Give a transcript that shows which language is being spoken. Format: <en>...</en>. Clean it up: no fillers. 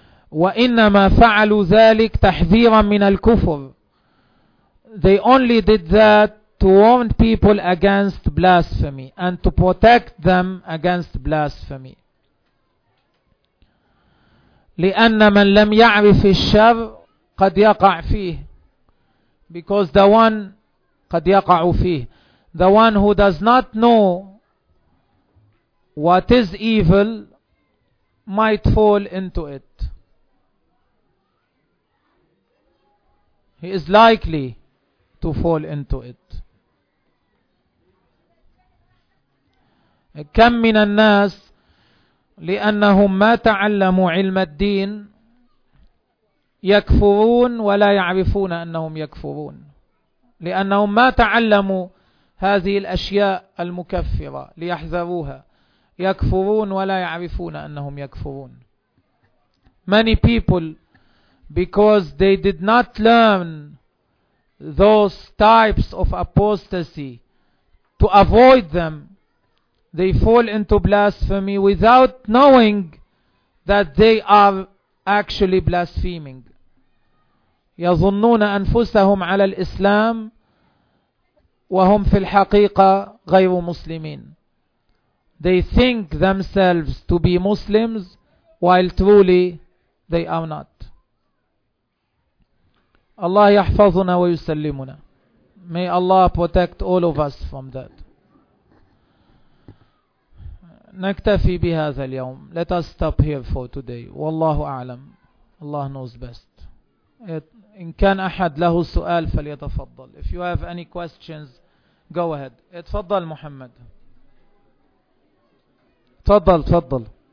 <ar>وإنما فعلوا ذلك تحذيرا من الكفر.</ar> <en>They only did that to warn people against blasphemy and to protect them against blasphemy.</en> <ar>لأن من لم يعرف الشر قد يقع فيه.</ar> <en>Because the one</en> <ar>قد يقع فيه.</ar> <en>The one who does not know what is evil might fall into it. He is likely to fall into it.</en> <ar>كم من الناس لأنهم ما تعلموا علم الدين يكفرون ولا يعرفون أنهم يكفرون، لأنهم ما تعلموا هذه الأشياء المكفرة ليحذروها، يكفرون ولا يعرفون أنهم يكفرون.</ar> <en>Many people, because they did not learn those types of apostasy, to avoid them, they fall into blasphemy without knowing that they are actually blaspheming.</en> <ar>يظنون أنفسهم على الإسلام وهم في الحقيقة غير مسلمين.</ar> <en>They think themselves to be Muslims while truly they are not.</en> <ar>Allah يحفظنا ويسلمنا.</ar> <en>May Allah protect all of us from that.</en> <ar>نكتفي بهذا اليوم.</ar> <en>Let us stop here for today.</en> <ar>والله أعلم.</ar> <en>Allah knows best.</en> <ar>إن كان أحد له سؤال فليتفضل.</ar> <en>If you have any questions, go ahead.</en> <ar>اتفضل محمد. تفضل تفضل.</ar>